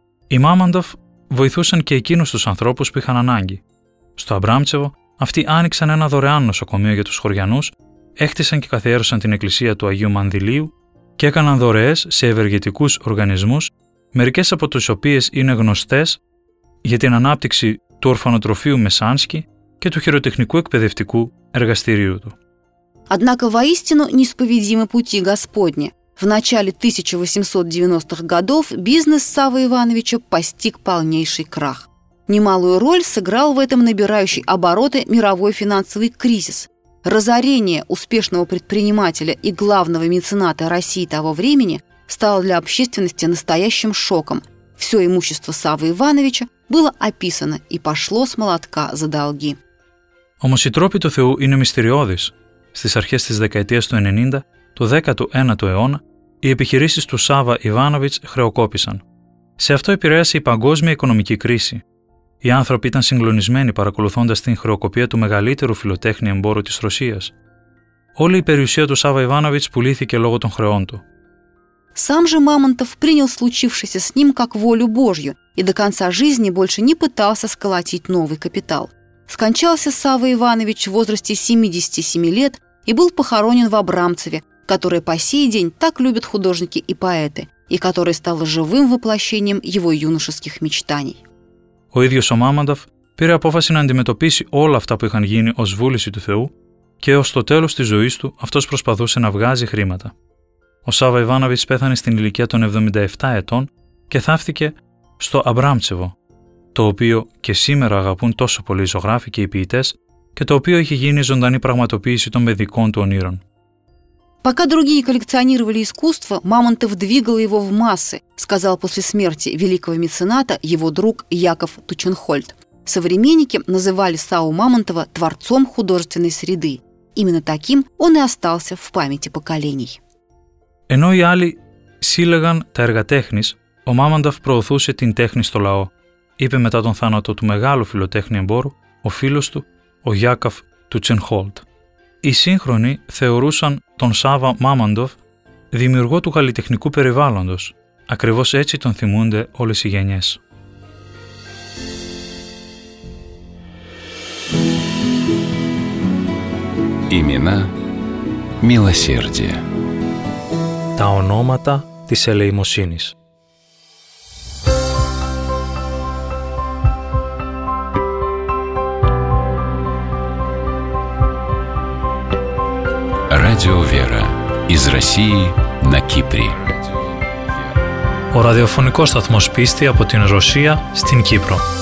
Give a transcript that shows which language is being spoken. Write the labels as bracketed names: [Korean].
[Greek] И Мамонтов воithούσαν και εκείνους τους ανθρώπους που είχαν ανάγκη. Στο Абрамцево αυτοί άνοιξαν ένα δωρεάν νοσοκομείο για τους χωριανούς, έκτισαν και καθιέρωσαν την εκκλησία του Αγίου Μανδηλίου και έκαναν δωρεές σε ευεργετικούς οργανισμούς, μερικές από τους οποίες είναι γνωστές για την ανάπτυξη του ορφανοτροφείου Μεσάνσκι και του χειροτεχνικού εκπαιδευτικού εργαστηρίου του. [Russian] Однако воистину несповедимы пути Господни. В начале 1890-х годов бизнес Савы Ивановича постиг полнейший крах. Немалую роль сыграл в этом набирающий обороты мировой финансовый кризис. Разорение успешного предпринимателя и главного мецената России того времени стало для общественности настоящим шоком. Все имущество Савы Ивановича было описано и пошло с молотка за долги. [Greek] Όμως οι τρόποι του Θεού είναι μυστηριώδεις. Στις αρχές της δεκαετίας του 90, του 19ου αιώνα, οι επιχειρήσεις του Σάβα Ιβάνοβιτς χρεοκόπησαν. Σε αυτό επηρέασε η παγκόσμια οικονομική κρίση. Οι άνθρωποι ήταν συγκλονισμένοι παρακολουθώντας την χρεοκοπία του μεγαλύτερου φιλοτέχνη εμπόρου της Ρωσίας. Όλη η περιουσία του Σάβα Ιβάνοβιτς πουλήθηκε λόγω των χρεών του. [Russian] Сам же Мамонтов принял случившееся с ним как волю Божью и до конца жизни больше не пытался сколотить новый капитал. Скончался Сава Иванович в возрасте 77 лет и был похоронен в Абрамцеве, которое по сей день так любят художники и поэты, и которое стало живым воплощением его юношеских мечтаний. [Greek] Ο ίδιος ο Мамонтов πήρε απόφαση να αντιμετωπίσει όλα αυτά που είχαν γίνει ως βούληση του Θεού και ως το τέλος της ζωής του αυτός προσπαθούσε να βγάζει χρήματα. Ο Σάβα Ιβάνοβιτς πέθανε στην ηλικία των 77 ετών και θάφθηκε στο Абрамцево, το οποίο και σήμερα αγαπούν τόσο πολλοί ζωγράφοι και οι ποιητές και το οποίο είχε γίνει ζωντανή πραγματοποίηση των παιδικών του ονείρων. [Russian] Пока другие коллекционировали искусство, Мамонтов двигал его в массы, сказал после смерти великого мецената его друг Яков Тученхольд. Современники называли Саву Мамонтова творцом художественной среды. Именно таким он и остался в памяти поколений. [Greek] Ενώ οι άλλοι σύλλεγαν τα έργα τέχνης, ο Мамонтов προωθούσε την τέχνη στο λαό, είπε μετά τον θάνατο του μεγάλου φιλοτέχνη εμπόρου, ο φίλος του, ο Γιάκοφ Τουτσενχόλτ. Οι σύγχρονοι θεωρούσαν τον Σάβα Μάμαντοφ δημιουργό του καλλιτεχνικού περιβάλλοντος. Ακριβώς έτσι τον θυμούνται όλες οι γενιές. [Russian] Имена, милосердие. [Greek] Τα ονόματα της ελεημοσύνης. [Russian] Радио Вера из России на Кипре. [Greek] О радиофонικός сταθμός πίστη από την Ρωσία στην Κύπρο.